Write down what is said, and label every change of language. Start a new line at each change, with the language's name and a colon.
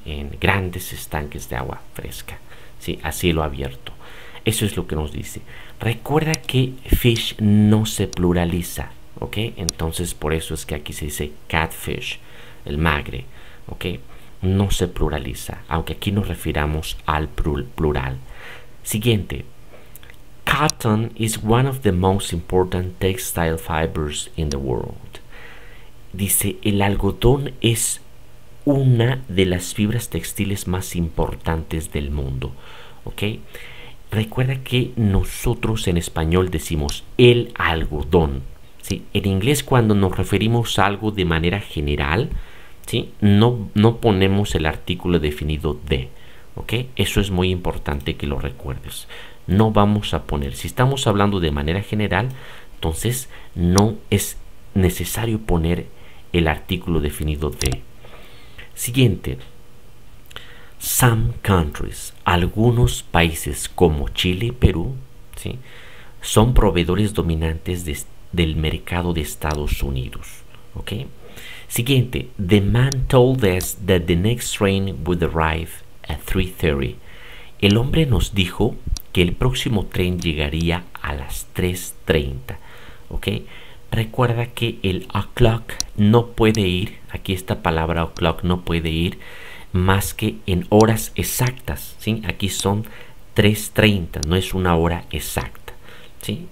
Spanish: En grandes estanques de agua fresca, ¿sí? A cielo abierto. Eso es lo que nos dice. Recuerda que fish no se pluraliza, ¿ok? Entonces, por eso es que aquí se dice catfish, el magre, ¿ok? No se pluraliza, aunque aquí nos refiramos al plural. Siguiente.
English: Cotton is one of the most important textile fibers in the world.
Spanish: Dice, el algodón es una de las fibras textiles más importantes del mundo. ¿Ok? Recuerda que nosotros en español decimos el algodón. ¿Sí? En inglés, cuando nos referimos a algo de manera general, ¿sí? No ponemos el artículo definido de. ¿Ok? Eso es muy importante que lo recuerdes. No vamos a poner, si estamos hablando de manera general, entonces no es necesario poner el artículo definido de. Siguiente.
English: Some countries,
Spanish: algunos países como Chile y Perú, ¿sí? Son proveedores dominantes del mercado de Estados Unidos. ¿Okay? Siguiente.
English: The man told us that the next train would arrive at 3:30.
Spanish: El hombre nos dijo que el próximo tren llegaría a las 3:30, ¿ok? Recuerda que el o'clock no puede ir, aquí esta palabra o'clock no puede ir más que en horas exactas, ¿sí? Aquí son 3:30, no es una hora exacta, ¿sí?